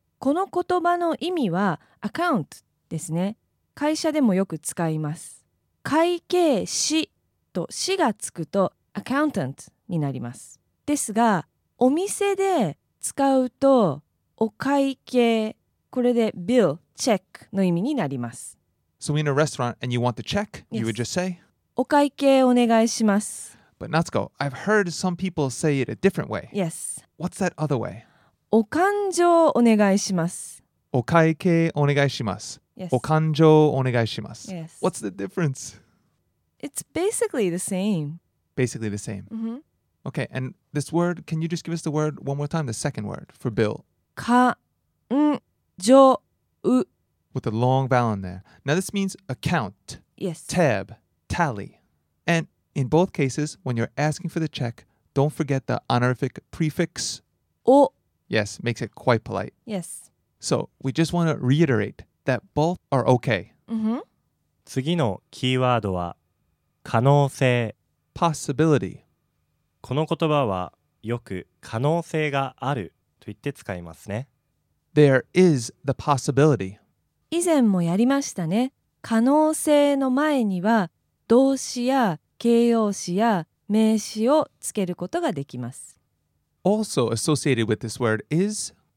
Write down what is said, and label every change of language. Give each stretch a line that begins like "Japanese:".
Japanese: この言葉の意味は Account ですね会社でもよく使います会計士と士がつくと Accountant になりますですがお店で使うとお会計これで Bill Check の意味になります
English: So in a restaurant and you want the check、yes. you would just say
Japanese: お会計お願いします。
English: But Natsuko, I've heard some people say it a different way. Yes. What's that other way?
Japanese: お勘定お願いします。お会計お願いします。
English: Yes.
Japanese: お勘定お願いします。
English: Yes. What's the difference? It's basically the same. Basically the same. Mm-hmm. Okay, and this word, can you just give us the word one more time, the second word for bill?
Japanese: 勘定う
English: With a long vowel in there. Now this means account. Yes. Tab. Tally. And in both cases, when you're asking for the check, don't forget the honorific prefix.
Japanese: お
English: Yes, makes it quite polite. Yes. So, we just want to reiterate that both are okay. Mm-hmm.
Japanese: 次のキーワードは可能性
English: possibility.
Japanese: この言葉はよく可能性があると言って使いますね。
English: There is the possibility.
Japanese: 以前もやりましたね。可能性の前には動詞や形容詞や名詞をつけることができます。
English: Also associated with this word is